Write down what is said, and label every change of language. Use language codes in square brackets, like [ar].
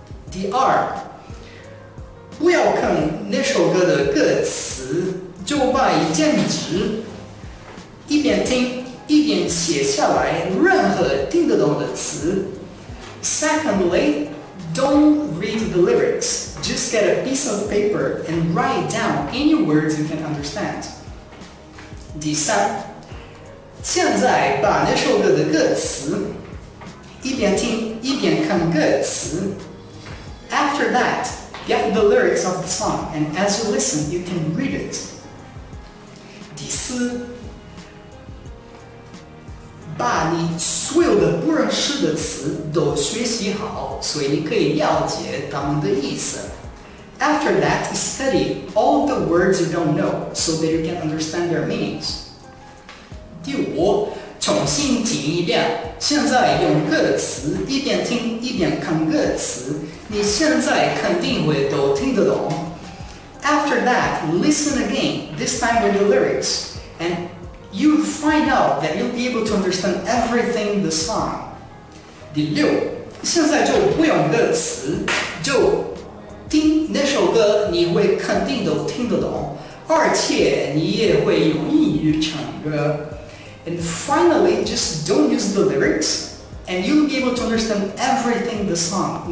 [zh] 第二，不要看那首歌的歌词，就把一键值一边听一边写下来任何听得懂的词。 [en] Secondly, don't read the lyrics. Just get a piece of paper and write down any words you can understand. [zh] 第三，现在把那首歌的歌词一边听一边看歌词。 [en] After that, get the lyrics of the song, and as you listen, you can read it. [zh] 第四，把你所有的不认识的词都学习好，所以你可以了解它们的意思。 [en] After that, study all the words you don't know, so that you can understand their meanings. [zh] 第五，重新听一遍，现在用歌词一边听一边看歌词，你现在肯定会都听得懂。 [en] After that, listen again, this time with the lyrics, and you'll find out that you'll be able to understand everything the song. [zh] 第六，现在就不用歌词，就听那首歌，你会肯定都听得懂，而且你也会用英语唱歌。 [en] And finally, just don't use the lyrics, and you'll be able to understand everything the song.